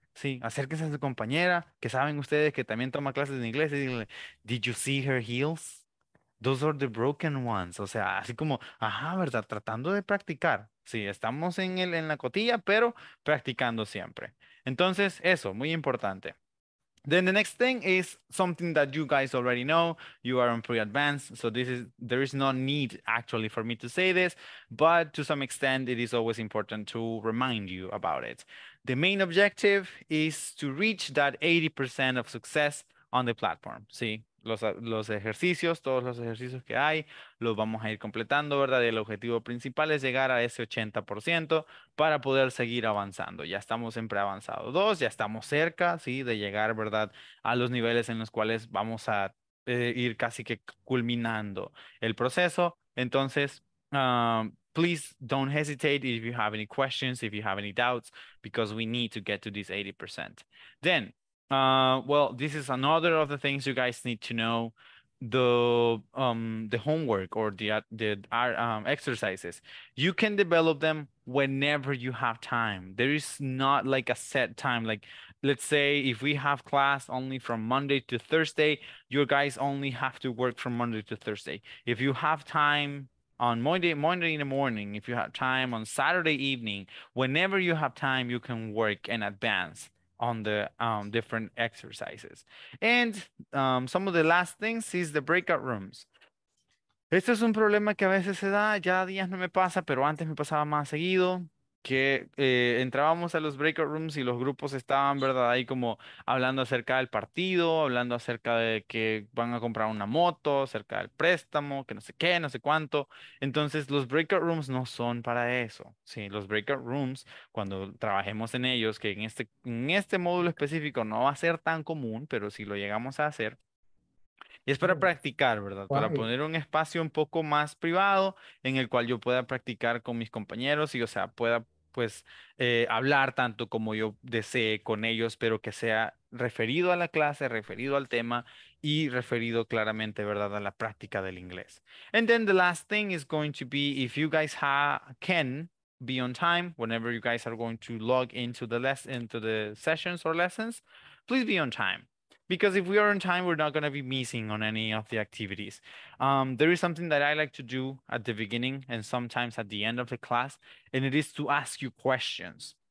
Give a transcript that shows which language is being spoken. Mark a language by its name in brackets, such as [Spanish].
[Spanish] Sí, acérquense a su compañera, que saben ustedes que también toma clases en inglés, y díganle, [English] did you see her heels? Those are the broken ones. [Spanish] O sea, así como, ajá, ¿verdad? Tratando de practicar. Sí, estamos en la cotilla, pero practicando siempre. Entonces, eso, muy importante. [English] Then the next thing is something that you guys already know. You are on pre-advanced, so there is no need actually for me to say this, but to some extent, it is always important to remind you about it. The main objective is to reach that 80% of success on the platform. [Spanish] Sí, los ejercicios, todos los ejercicios que hay, los vamos a ir completando, ¿verdad? Y el objetivo principal es llegar a ese 80% para poder seguir avanzando. Ya estamos en preavanzado 2, ya estamos cerca, ¿sí? De llegar, ¿verdad? A los niveles en los cuales vamos a ir casi que culminando el proceso. [English] Entonces, please don't hesitate if you have any questions, if you have any doubts, because we need to get to this 80%. Then, well, this is another of the things you guys need to know, the homework or the exercises. You can develop them whenever you have time. There is not like a set time. Like, let's say if we have class only from Monday to Thursday, you guys only have to work from Monday to Thursday. If you have time on Monday in the morning, if you have time on Saturday evening, whenever you have time, you can work in advance on the different exercises. And some of the last things is the breakout rooms. [Spanish] Esto es un problema que a veces se da, ya días no me pasa, pero antes me pasaba más seguido, que entrábamos a los breakout rooms y los grupos estaban, ¿verdad? Ahí como hablando acerca del partido, hablando acerca de que van a comprar una moto, acerca del préstamo, que no sé qué, no sé cuánto. Entonces, los breakout rooms no son para eso. Sí, los breakout rooms, cuando trabajemos en ellos, que en este módulo específico no va a ser tan común, pero si lo llegamos a hacer, y es para practicar, ¿verdad? Para poner un espacio un poco más privado en el cual yo pueda practicar con mis compañeros y, o sea, pueda, pues, hablar tanto como yo desee con ellos, pero que sea referido a la clase, referido al tema y referido claramente, ¿verdad?, a la práctica del inglés. [English] And then the last thing is going to be if you guys can be on time whenever you guys are going to log into the sessions or lessons, please be on time. Because if we are on time, we're not going to be missing on any of the activities. There is something that I like to do at the beginning and sometimes at the end of the class, and it is to ask you questions.